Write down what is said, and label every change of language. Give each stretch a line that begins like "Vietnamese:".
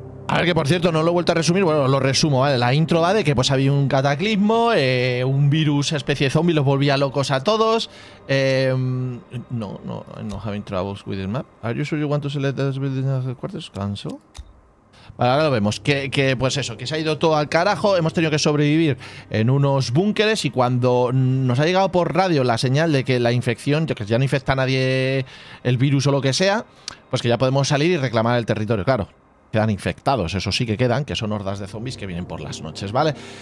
Spanish: A ver, que por cierto, no lo he vuelto a resumir. Bueno, lo resumo, ¿vale? La intro va de que pues había un cataclismo, un virus, especie de zombie, los volvía locos a todos.
English: No have in troubles with this map. Are you sure you want to select the building of the quarters?
Spanish: Cancel. Vale, ahora lo vemos. Que pues eso, que se ha ido todo al carajo. Hemos tenido que sobrevivir en unos búnkeres. Y cuando nos ha llegado por radio la señal de que la infección, que ya no infecta a nadie el virus o lo que sea, pues que ya podemos salir y reclamar el territorio, claro. Quedan infectados, eso sí que quedan, que son hordas de zombies que vienen por las noches, ¿vale?